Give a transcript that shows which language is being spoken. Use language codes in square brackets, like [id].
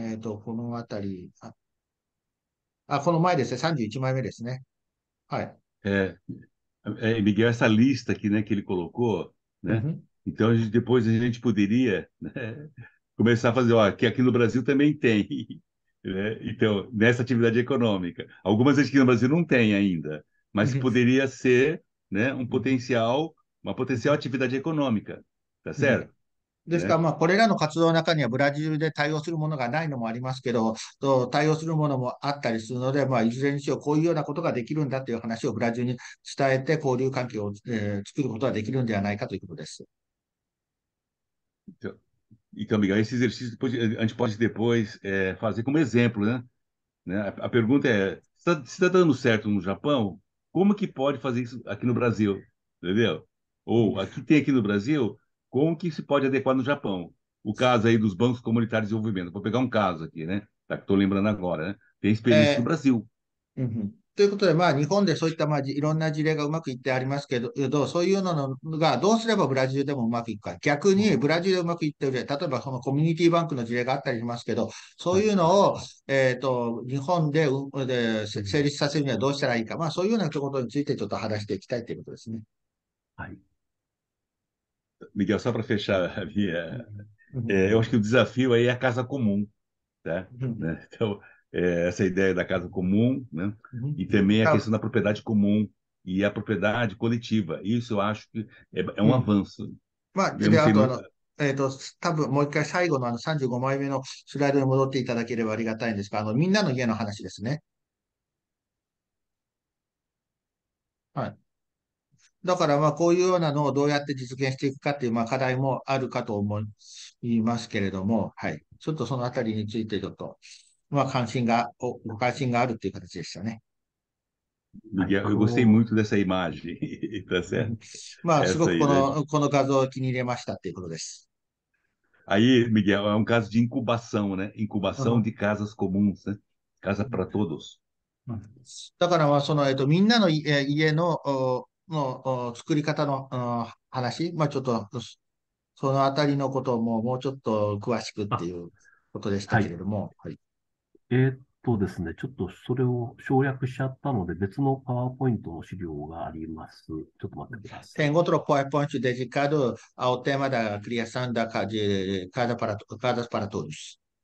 [ja] このあたり。この前ですね、31枚目ですね。 [pt] Miguel, essa lista aqui, né, que ele colocou, né? Então depois a gente poderia, né, começar a fazer, ó, que aqui no Brasil também tem, né? Então nessa atividade econômica, algumas aqui no Brasil não tem ainda, mas poderia ser, né, uma potencial atividade econômica, tá certo, [ja] です [pt] né? [ja] から、まあ、これらの活動の中にはブラジルで対応するものがないのもありますけど、対応するものもあったりするので、まあ、いずれにしようこういうようなことができるんだという話をブラジルに伝えて交流関係を、作ることができるんではないかということです。 [pt] Então, Miguel, esse exercício a gente pode depois fazer como exemplo, né? A pergunta é: se está dando certo no Japão, como que pode fazer isso aqui no Brasil? Entendeu? Ou aqui tem aqui no Brasil, como que se pode adequar no Japão? O caso aí dos bancos comunitários de desenvolvimento. Vou pegar um caso aqui, né? Tá, que estou lembrando agora, né? Tem experiência no Brasil. [ja] ということで、まあ、日本でそういった、まあ、いろんな事例がうまくいってありますけど、そういうのが、どうすればブラジルでもうまくいくか。逆に、ブラジルでうまくいってる例えば、そのコミュニティバンクの事例があったりしますけど、そういうのを、日本で、成立させるにはどうしたらいいか。まあ、そういうようなところについて、ちょっと話していきたいということですね。 [pt] Miguel, só para fechar a minha. Eu acho que o desafio aí é a casa comum, tá? Né? Então, essa ideia da casa comum, né? E também a questão da propriedade comum e a propriedade coletiva. Isso eu acho que é um avanço. [ja] まあ、 [pt] Eu não [ja] で、 [pt] sei. [ja] あと、多分もう一回最後の35枚目のスライドに戻っていただければありがたいんですが、みんなの家の話ですね。だから、まあ、こういうようなのをどうやって実現していくかっていう、まあ、課題もあるかと思いますけれども、ちょっとそのあたりについて、ちょっと、まあ、関心が、ご関心があるっていう形でしたね。 [pt] Miguel, eu gostei muito dessa imagem, tá certo? [ja] まあ、す [pt] Essa [ja] ごく [pt] imagem. [ja] この画像を気に入れましたということです。 Aí, Miguel, é um caso de incubação, né? Incubação de casas comuns, né? Casa para todos. だからまあ、みんなの家の作り方の話、まあ、ちょっとそのあたりのことをもうちょっと詳しくっていうことでしたけれども。はい。そうですね。ちょっとそれを省略しちゃったので、別のパワーポイントの資料があります。ちょっと待ってください。 [pt] Tem outro PowerPoint dedicado ao tema da criação da casa para todos.